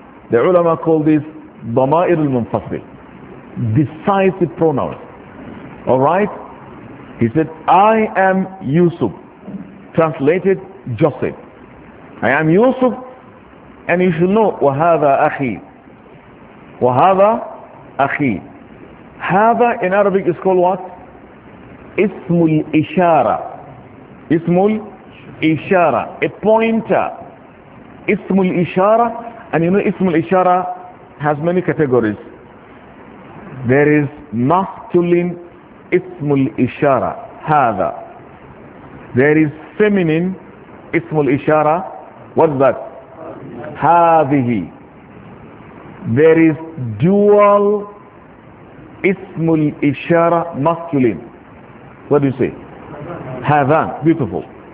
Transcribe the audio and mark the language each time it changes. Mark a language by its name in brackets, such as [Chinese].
[English] The ulama call this Damair Munfasil. Decisive pronoun. Alright? He said, I am Yusuf. Translated, Joseph. I am Yusuf, and you should know, [Arabic] وَهَذَا أَخِي وَهَذَا أَخِي هَذَا [English] in Arabic is called what? [Arabic] إِسْمُ الْإِشَارَةِ إِسْمُ الْإِشَارَةِ [English] a pointer. إِسْمُ الْإِشَارَةِ and you know إِسْمُ الْإِشَارَةِ has many categories. There is masculine إِسْمُ الْإِشَارَةِ هَذَا. There is feminine إِسْمُ الْإِشَارَةِ. What's that? Hadihi. There is dual ismul ishara masculine. What do you say? Hadan. Beautiful.